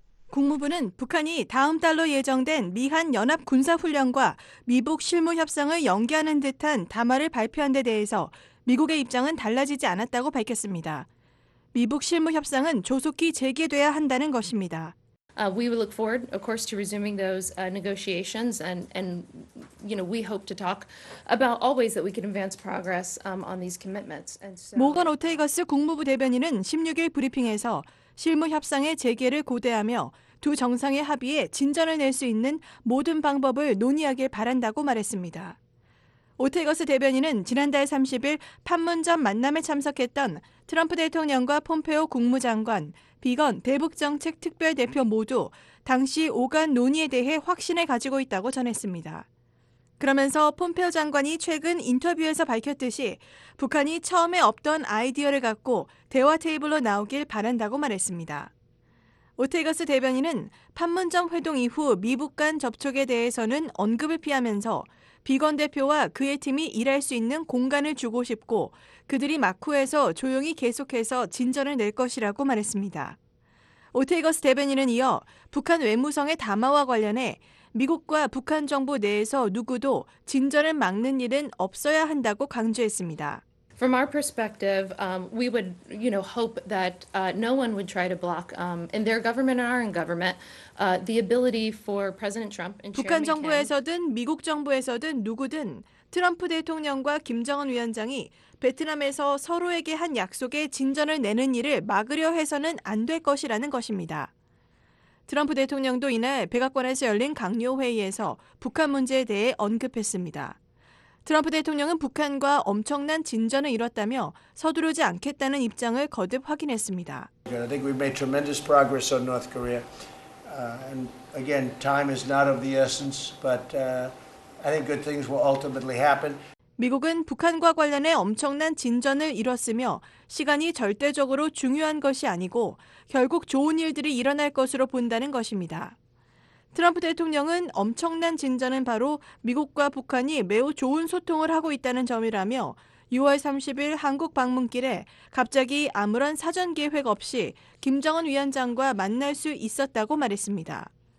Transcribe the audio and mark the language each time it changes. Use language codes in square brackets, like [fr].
[ko] 국무부는 북한이 다음 달로 예정된 미한 연합 군사훈련과 미북 실무 협상을 연기하는 듯한 담화를 발표한 데 대해서 미국의 입장은 달라지지 않았다고 밝혔습니다. 미북 실무 협상은 조속히 재개돼야 한다는 것입니다. [en] We will look forward, of course, to resuming those negotiations, and you know, we hope to talk about all ways that we can advance progress on these commitments. And [ko] so, 모건 오테이거스 국무부 대변인은 16일 브리핑에서 실무 협상의 재개를 고대하며 두 정상의 합의에 진전을 낼 수 있는 모든 방법을 논의하길 바란다고 말했습니다. 오테거스 대변인은 지난달 30일 판문점 만남에 참석했던 트럼프 대통령과 폼페오 국무장관, 비건 대북정책특별대표 모두 당시 오간 논의에 대해 확신을 가지고 있다고 전했습니다. 그러면서 폼페오 장관이 최근 인터뷰에서 밝혔듯이 북한이 처음에 없던 아이디어를 갖고 대화 테이블로 나오길 바란다고 말했습니다. 오테거스 대변인은 판문점 회동 이후 미북 간 접촉에 대해서는 언급을 피하면서 비건 대표와 그의 팀이 일할 수 있는 공간을 주고 싶고 그들이 마쿠에서 조용히 계속해서 진전을 낼 것이라고 말했습니다. 오테거스 대변인은 이어 북한 외무성의 담화와 관련해 미국과 북한 정부 내에서 누구도 진전을 막는 일은 없어야 한다고 강조했습니다. [en] From our perspective, we would, you know, hope that no one would try to block in their government and our own government the ability for President Trump and [ko] 북한 정부에서든 미국 정부에서든 누구든 트럼프 대통령과 김정은 위원장이 베트남에서 서로에게 한 약속에 진전을 내는 일을 막으려 해서는 안 될 것이라는 것입니다. 트럼프 대통령도 이날 백악관에서 열린 강요회의에서 북한 문제에 대해 언급했습니다. 트럼프 대통령은 북한과 엄청난 진전을 이뤘다며 서두르지 않겠다는 입장을 거듭 확인했습니다. [en] I think we've made tremendous progress on North Korea. And again, time is not of the essence, but I think good things will ultimately happen. [ko] 미국은 북한과 관련해 엄청난 진전을 이뤘으며 시간이 절대적으로 중요한 것이 아니고 결국 좋은 일들이 일어날 것으로 본다는 것입니다. 트럼프 대통령은 엄청난 진전은 바로 미국과 북한이 매우 좋은 소통을 하고 있다는 점이라며 6월 30일 한국 방문길에 갑자기 아무런 사전 계획 없이 김정은 위원장과 만날 수 있었다고 말했습니다.